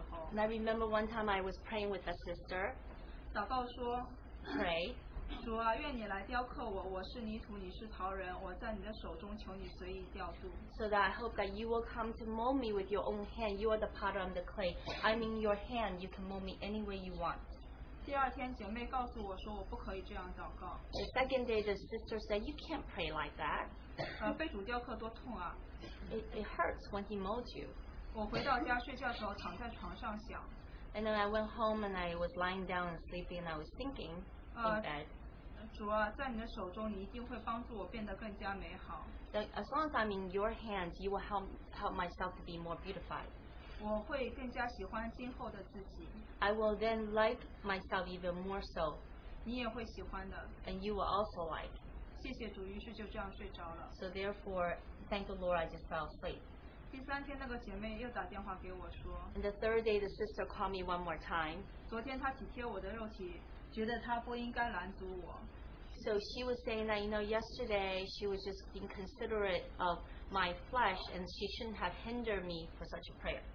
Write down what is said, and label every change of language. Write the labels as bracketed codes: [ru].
[en] And I remember one time I was praying with a sister. [zh] 祷告说, [en] pray. [zh] 主啊, 愿你来雕刻我, 我是泥土, 你是陶人, 我在你的手中, [en] so that I hope that you will come to mold me with your own hand. You are the potter of the clay. I'm in your hand. You can mold me any way you want. [zh] 第二天姐妹告诉我说, [en] the second day, the sister said, you can't pray like that. [zh] 被主雕刻多痛啊。 [en] It hurts when he molds you. [zh] 我回到家睡觉的时候躺在床上想。 [en] And then I went home and I was lying down and sleeping and I was thinking in bed. [zh] 主啊, 在你的手中, 你一定会帮助我变得更加美好。 [en] As long as I'm in your hands, you will help myself to be more beautified. [zh] 我会更加喜欢今后的自己。 [en] I will then like myself even more so. [zh] 你也会喜欢的。 [en] And you will also like. [zh] 谢谢主, 于是就这样睡着了。 [en] So therefore, thank the Lord, I just fell asleep. [zh] 第三天那个姐妹又打电话给我说, [en] and the third day, the sister called me one more time. [zh] 昨天她体贴我的肉体, 觉得她不应该拦阻我。 [en] So she was saying that, you know, yesterday she was just being considerate of my flesh and she shouldn't have hindered me for such a prayer.